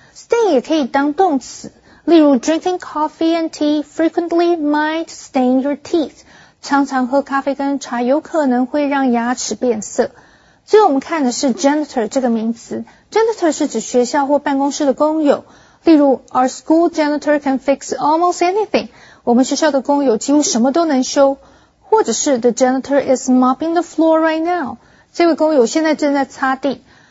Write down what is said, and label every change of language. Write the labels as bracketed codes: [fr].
[zh] Stain 也可以当动词，例如 [en] drinking coffee and tea frequently might stain your teeth, [zh] 常常喝咖啡跟茶有可能会让牙齿变色。最后我们看的是 janitor 这个名词， janitor 是指学校或办公室的工友。例如 [en] ,our school janitor can fix almost anything. [zh] 我们学校的工友几乎什么都能修。或者是 [en] ,the janitor is mopping the floor right now. [zh] 这位工友现在正在擦地。